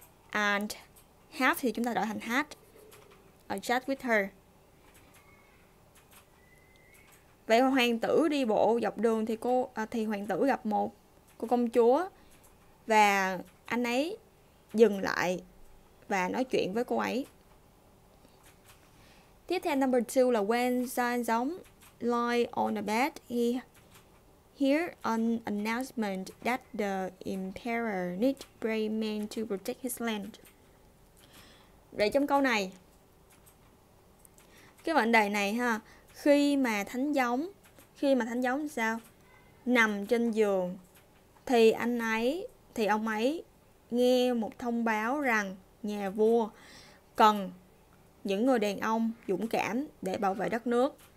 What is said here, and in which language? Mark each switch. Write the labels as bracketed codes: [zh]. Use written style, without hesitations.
[en] And have [vi] thì chúng ta đổi thành [en] had. A chat with her. [vi] Vậy hoàng tử đi bộ dọc đường thì hoàng tử gặp một cô công chúa và anh ấy dừng lại và nói chuyện với cô ấy. Tiếp theo [en] number 2 là when Giang Giống lie on a bed, he hear an announcement that the emperor need brave men to protect his land. [vi] Vậy trong câu này, cái vấn đề này ha, khi mà thánh giống sao nằm trên giường thì ông ấy nghe một thông báo rằng nhà vua cần những người đàn ông dũng cảm để bảo vệ đất nước.